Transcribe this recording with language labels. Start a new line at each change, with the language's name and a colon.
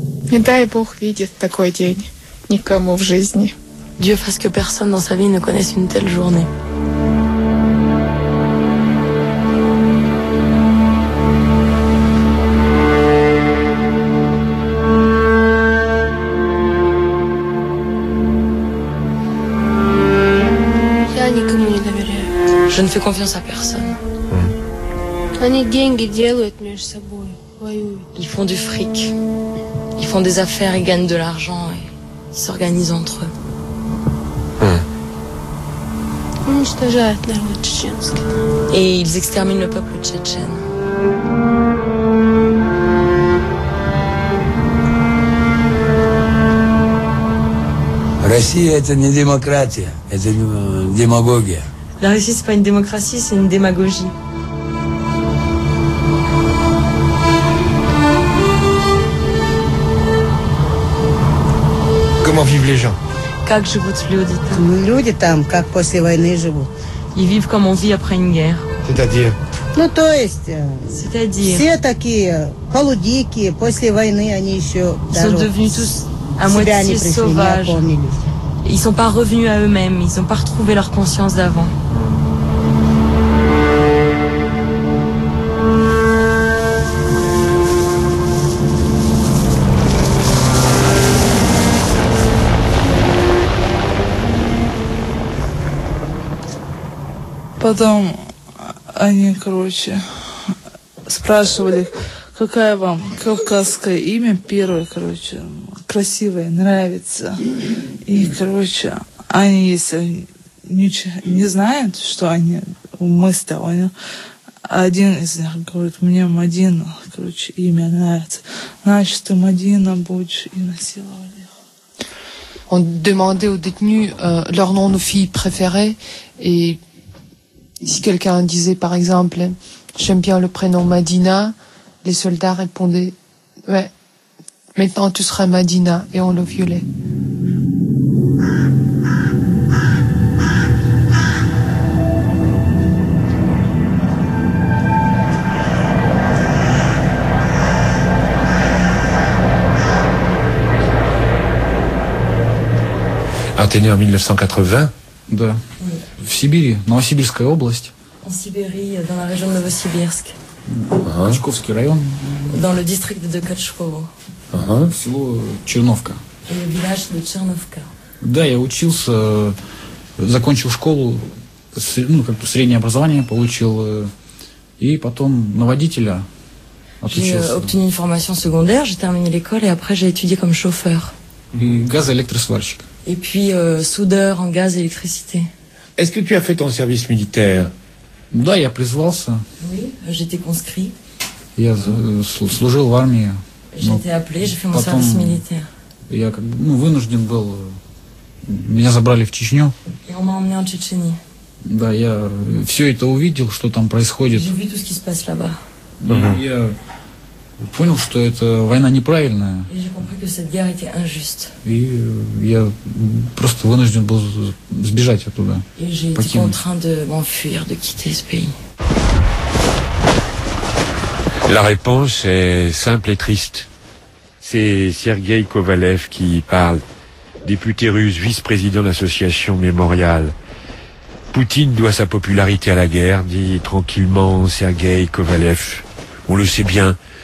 Russian: Не дай Бог видеть такой день никому в жизни.
French: Dieu fasse que personne dans sa vie ne connaisse une telle journée.
Russian: Я никому не доверяю.
French: Je ne fais confiance à personne.
Russian: Они деньги делают между собой, воюют.
French: Ils font du fric. Ils font des affaires et gagnent de l'argent et ils s'organisent entre eux. Et ils exterminent le peuple tchétchène.
Russian: Россия это не демократия, это демагогия.
French: La Russie c'est pas une démocratie, c'est une démagogie. Comment vivent les gens?
Russian: Как живут люди там? Люди там как после войны живут?
French: Ils vivent comme on vit après une guerre. C'est-à-dire?
Russian: Ну то есть.
French: C'est-à-dire?
Russian: Все такие полудикие после войны они еще.
French: Ils sont devenus tous à moitié sauvages. Ils sont pas revenus à eux-mêmes. Ils ont pas retrouvé leur conscience d'avant.
Russian: Потом они, короче, спрашивали, какое вам кавказское имя первое, короче, красивое, нравится. И, короче, они, если ничего не знают, что они, мы-то, они, один из них говорит, мне Мадина, короче, имя нравится. Значит, ты Мадина будешь, и насиловали.
French: On demandait aux détenus leur nom de fille préférée et si quelqu'un disait, par exemple, j'aime bien le prénom Madina, les soldats répondaient, ouais, maintenant tu seras Madina, et on le violait. Athénée en 1980.
Russian: Да. В Сибири, Новосибирская область. В Сибири,
French: dans la région de Novosibirsk.
Russian: Качковский район.
French: Dans le district de Kachkovo.
Russian: Ага. Село Черновка.
French: Le village de Chernovka.
Russian: Да, я учился, закончил школу, ну, как-то среднее образование получил, и потом на водителя отучился.
French: J'ai obtenu une formation secondaire, j'ai terminé l'école, et après j'ai étudié comme chauffeur.
Russian: И газоэлектросварщик.
French: Et puis, soudeur en gaz et électricité. Est-ce que tu as fait ton service militaire?
Russian: Да, я призвался.
French: Oui, j'étais conscrit.
Russian: Я служил в армии.
French: J'étais appelé, j'ai fait mon service militaire.
Russian: Я как бы, ну, вынужден был. Меня забрали в Чечню.
French: Et on m'a emmené en Tchétchénie.
Russian: Да, я все это увидел, что там происходит.
French: J'ai vu tout ce qui se passe là-bas.
Russian: Я понял, что эта война неправильная.
French: Et j'ai compris que cette guerre était injuste.
Russian: И я просто вынужден был сбежать оттуда.
French: Et j'ai été contraint de m'enfuir, de quitter ce pays. La réponse est simple et triste. C'est Sergueï Kovalev qui parle. député russe, vice-président de l'association Mémorial. Poutine doit sa popularité à la guerre, dit tranquillement Sergueï Kovalev. On le sait bien.